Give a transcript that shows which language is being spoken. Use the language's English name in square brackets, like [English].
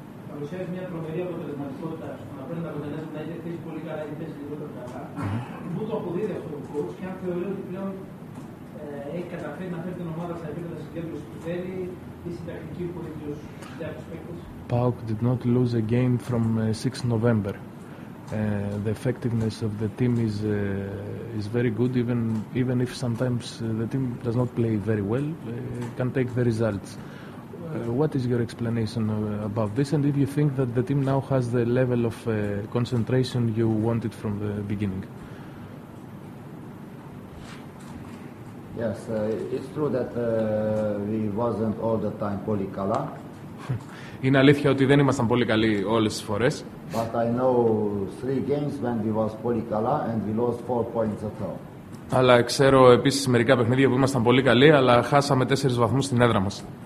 [Greek] Παρουσιάζει μια τρομερή αποτελεσματικότητα στο να παίρνει τα αποτελέσματα, είτε χτίσει πολύ καλά, είτε χτίσει λιγότερο καλά. Πού το αποδίδει αυτό το κόουτς και αν θεωρεί ότι πλέον έχει καταφέρει να φέρει την ομάδα στα επίπεδα συγκέντρωση που θέλει ή στην τακτική που έχει ως διάρκειας παίκτης. [English] ΠΑΟΚ did not lose a game from 6 November. The effectiveness of the team is very good, even if sometimes the team does not play very well, can take the results. What is your explanation about this, and if you think that the team now has the level of concentration you wanted from the beginning? Yes, it's true that we wasn't all the time [Greek] πολύ καλά. Είναι αλήθεια ότι δεν ήμασταν πολύ καλοί όλες τις φορές. [English] But I know three games when we was [Greek] πολύ καλά [English] and we lost 4 points at home. [Greek] Αλλά ξέρω επίσης μερικά παιχνίδια που ήμασταν πολύ καλοί αλλά χάσαμε 4 βαθμούς στην έδρα μας.